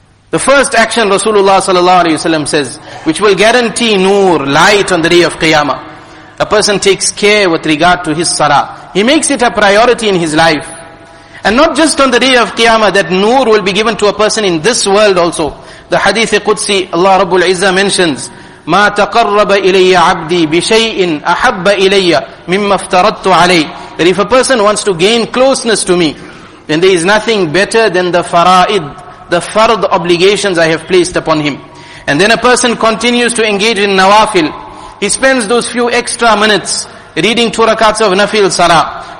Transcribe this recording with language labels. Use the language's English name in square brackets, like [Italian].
[English] The first action Rasulullah sallallahu alaihi wasallam says, which will guarantee nur, light on the day of Qiyamah. A person takes care with regard to his salah. He makes it a priority in his life. And not just on the day of Qiyamah, that nur will be given to a person in this world also. The hadith Qudsi, Allah Rabbul Izzah mentions, [Arabic] مَا تَقَرَّبَ إِلَيَّ عَبْدِي بِشَيْءٍ أَحَبَّ إِلَيَّ مِمَّ افْتَرَدْتُ عَلَيْهِ. [English] That if a person wants to gain closeness to me, then there is nothing better than the fara'id, the fard obligations I have placed upon him. And then a person continues to engage in nawafil. He spends those few extra minutes reading two rakats of nafil salah.